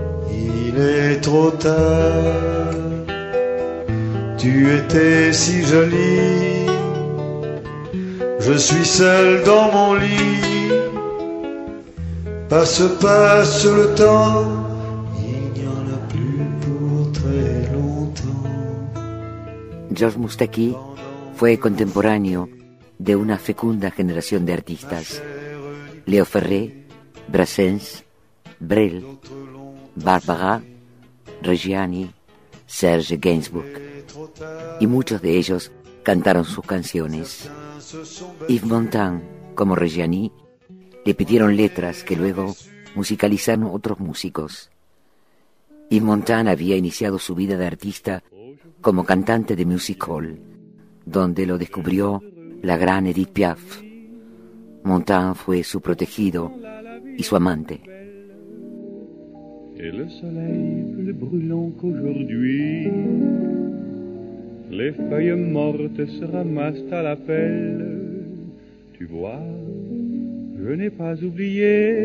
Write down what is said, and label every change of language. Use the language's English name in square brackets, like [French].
[French] Il est trop tard. Tu étais si jolie. Je suis seul dans mon lit. Passe le temps, il n'y en a plus pour très longtemps. [Spanish] Georges Moustaki fue contemporáneo de una fecunda generación de artistas: Léo Ferré, Brassens, Brel, Barbara, Reggiani, Serge Gainsbourg. Y muchos de ellos cantaron sus canciones. Yves Montand, como Reggiani, le pidieron letras que luego musicalizaron otros músicos. Yves Montand había iniciado su vida de artista como cantante de music hall, donde lo descubrió la gran Edith Piaf. Montand fue su protegido y su amante. [French] Et le soleil plus brûlant qu'aujourd'hui, les feuilles mortes se ramassent à la pelle. Tu vois, je n'ai pas oublié.